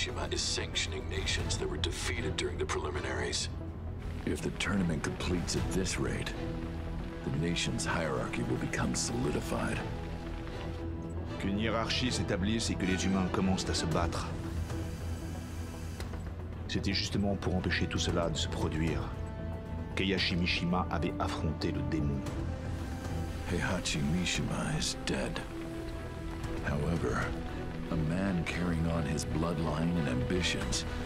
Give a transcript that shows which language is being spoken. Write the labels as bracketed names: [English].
[English] Is sanctioning nations that were defeated during the preliminaries. If the tournament completes at this rate, the nation's hierarchy will become solidified. [French] Qu'une hiérarchie s'établisse et que les humains commencent à se battre. C'était justement pour empêcher tout cela de se produire qu'Heihachi Mishima avait affronté le démon. [English] Heihachi Mishima is dead. However,A man carrying on his bloodline and ambitions